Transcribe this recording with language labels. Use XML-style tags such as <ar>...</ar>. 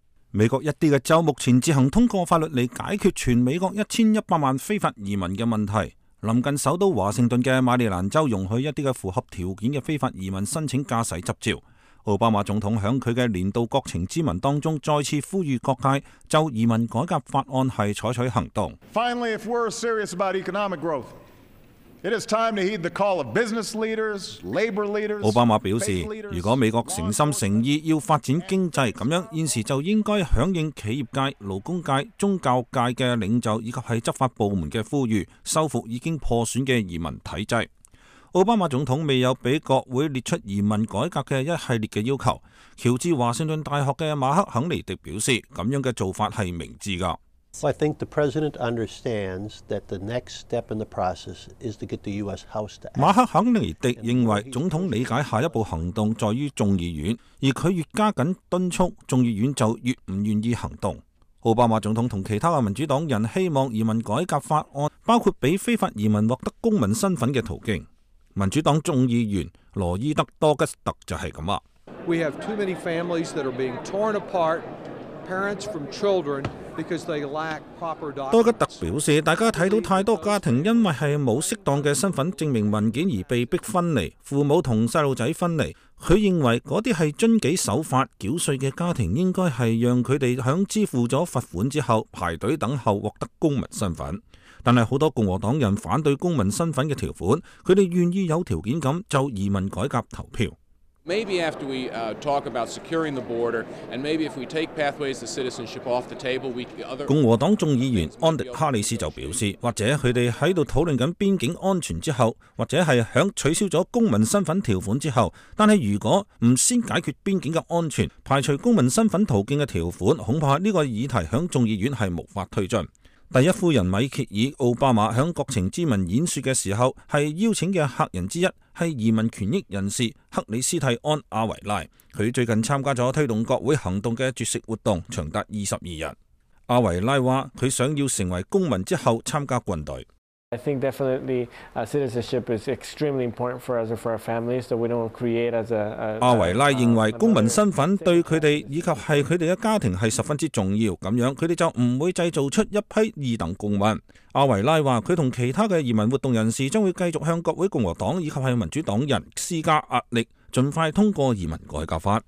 <yue>美国一啲嘅州目前自行通过法律来解决全美国1100万非法移民的问题。临近首都华盛顿的马里兰州容许一些符合条件的非法移民申请驾驶执照。奥巴马总统在他的年度国情咨文当中再次呼吁各界就移民改革法案系采取行动。</yue> <en>Finally, if we're serious about economic growth, it is time to heed the call of business leaders, labor leaders.</en> <yue>奥巴马表示，如果美国诚心诚意要发展经济，咁样现时就应该响应企业界、劳工界、宗教界的领袖以及系执法部门的呼吁，修复已经破损的移民体制。奥巴马总统未有被国会列出移民改革的一系列的要求。乔治华盛顿大学的马克肯尼迪表示，这样的做法是明智的。</yue> <en>I think the president understands that the next step in the process is to get the U.S. House to act.</en> <yue>马克肯尼迪认为总统理解下一步行动在于众议院，而他越加紧敦促，众议院就越不愿意行动。奥巴马总统和其他民主党人希望移民改革法案包括俾非法移民获得公民身份的途径。民主党众议员罗伊德多吉斯特就系咁啊。</yue> <en>We have too many families that are being torn apart, parents from children because they lack proper documents.</en> <yue>多吉特表示，大家睇到太多家庭因为系冇适当嘅身份证明文件而被逼分离，父母同细路仔分离。佢认为嗰啲系遵纪守法缴税嘅家庭，应该系让佢哋响支付咗罚款之后排队等候获得公民身份。但是很多共和党人反对公民身份的条款，他们愿意有条件地就移民改革投票。</yue> <en>Maybe after we talk about securing the border, and maybe if we take pathways to citizenship off the table, we other</en> <yue>共和党众议员安迪哈里斯就表示，或者他们在讨论边境安全之后，或者是在取消了公民身份条款之后，但是如果不先解决边境的安全，排除公民身份途径的条款，恐怕这个议题在众议院是无法推进。第一夫人米歇尔·奥巴马在国情咨文演说的时候是邀请的客人之一，是移民权益人士克里斯蒂安·阿维拉。他最近参加了推动国会行动的绝食活动，长达22日。阿维拉说他想要成为公民之后参加军队。</yue> <en>I think definitely citizenship is extremely important for us and for our families, so we don't create as a.</en> <yue>阿维拉认为公民身份对佢哋以及系佢哋嘅家庭系十分之重要，咁样佢哋就唔会制造出一批二等公民。阿维拉话佢同其他嘅移民活动人士将会继续向国会共和党以及系民主党人施加压力，尽快通过移民改革法。</yue>